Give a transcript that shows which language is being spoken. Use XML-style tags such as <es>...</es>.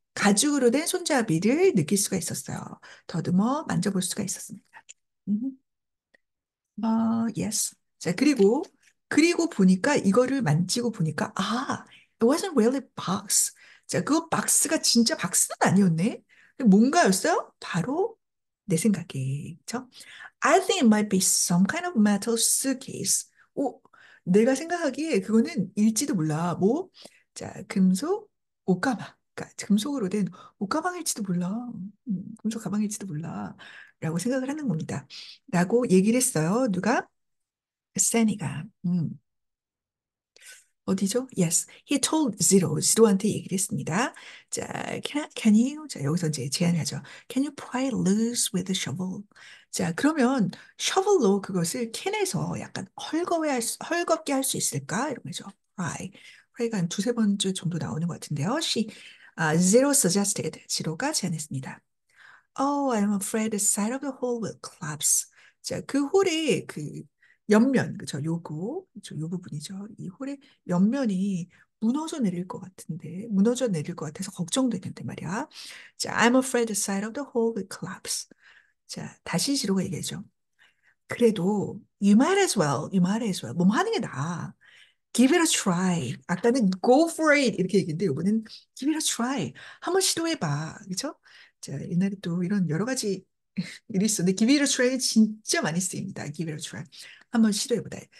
<ko>가죽으로 된 손잡이를 느낄 수가 있었어요. 더듬어 만져볼 수가 있었습니다. yes. 자, 그리고 보니까 이거를 만지고 보니까 아,</ko> <en>it wasn't really box.</en> <ko>자, 그거 박스가 진짜 박스는 아니었네. 뭔가였어요? 바로 내 생각에. 그쵸?</ko> <en>I think it might be some kind of metal suitcase.</en> <ko>오, 내가 생각하기에 그거는 일지도 몰라. 뭐? 자, 금속 옷가방. 금속으로 된 옷가방일지도 몰라. 금속 가방일지도 몰라. 라고 생각을 하는 겁니다. 라고 얘기를 했어요. 누가? 세니가. 어디죠?</ko> <en>Yes. He told Zero.</en> <ko>Zero한테 얘기를 했습니다.</ko> <en>자, can you?</en> <ko>자, 여기서 이제 제안을 하죠.</ko> <en>Can you pry loose with a shovel?</en> <ko>자, 그러면 shovel로 그것을 캔에서 약간 헐겁게 할수 있을까? 이러면서 pry. pry가 한 두세 번 정도 나오는 것 같은데요.</ko> <en>Zero suggested.</en> <ko>Zero가 제안했습니다.</ko> <en>Oh, I'm afraid the side of the hole will collapse.</en> <ko>자, 그 홀의 그 옆면, 그쵸, 요거, 그쵸, 요 부분이죠. 이 홀의 옆면이 무너져 내릴 것 같은데, 무너져 내릴 것 같아서 걱정되는데 말이야.</ko> <en>자, I'm afraid the side of the hole will collapse.</en> <ko>자, 다시 지로가 얘기하죠. 그래도,</ko> <en>you might as well.</en> <ko>뭐 하는 게 나아.</ko> <en>Give it a try.</en> <ko>아까는</ko> <en>go for it.</en> <ko>이렇게 얘기했는데, 이번엔</ko> <en>give it a try.</en> <ko>한번 시도해봐. 그쵸? 자, 옛날에 또 이런 여러 가지 일이 있었는데,</ko> <en>give it a try</en> <ko>는 진짜 많이 쓰입니다.</ko> <en>Give it a try.</en> <ko>한번 시도해보다.</ko>